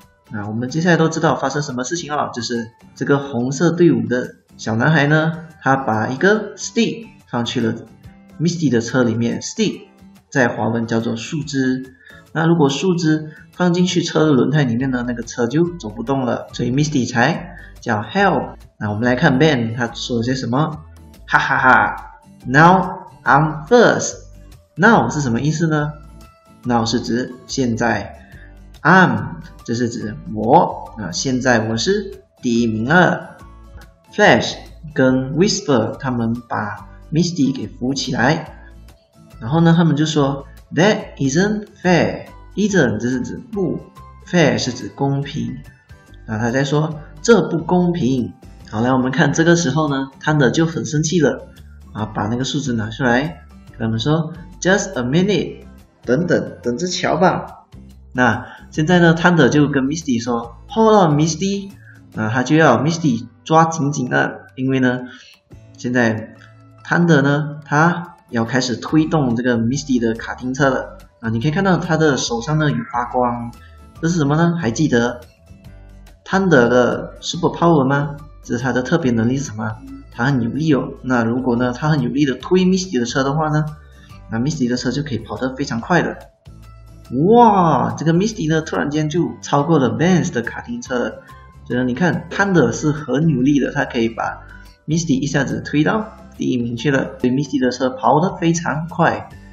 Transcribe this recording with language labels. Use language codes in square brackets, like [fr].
[zh] 那我们接下来都知道发生什么事情了，就是这个红色队伍的小男孩呢，他把一个 stick 放去了 Misty 的车里面。 stick 在华文叫做树枝，那如果树枝放进去车的轮胎里面呢，那个车就走不动了，所以 Misty 才叫 help。那我们来看 Ben 他说了些什么。 [en] 哈哈哈， Now I'm first。 [zh] Now 是什么意思呢？ Now 是指现在， I'm 这是指我，那现在我是第一名了。 Flash 跟 Whisper 他们把 Misty 给扶起来，然后呢他们就说 [en] That isn't fair。 [zh] Isn't 这是指不， fair 是指公平，那他在说这不公平。好，来我们看这个时候呢，汤德就很生气了，把那个树枝拿出来跟他们说 [en] Just a minute， [zh] 等等，等着瞧吧。那现在呢汤德就跟 Misty 说 [en] Hold on [zh] Misty， 那他就要 Misty 抓紧紧了，因为呢现在汤德呢他要开始推动这个 Misty 的卡丁车了。你可以看到他的手上呢有发光，这是什么呢？还记得 Thunder 的 super power 吗？这是他的特别能力是什么？他很有力哦。那如果呢他很有力的推 Misty 的车的话呢，那 Misty 的车就可以跑得非常快的。哇，这个 Misty 呢突然间就超过了 Benz 的卡丁车了。所以你看 Thunder 是很有力的，他可以把 Misty 一下子推到第一名去了，所以 Misty 的车跑得非常快。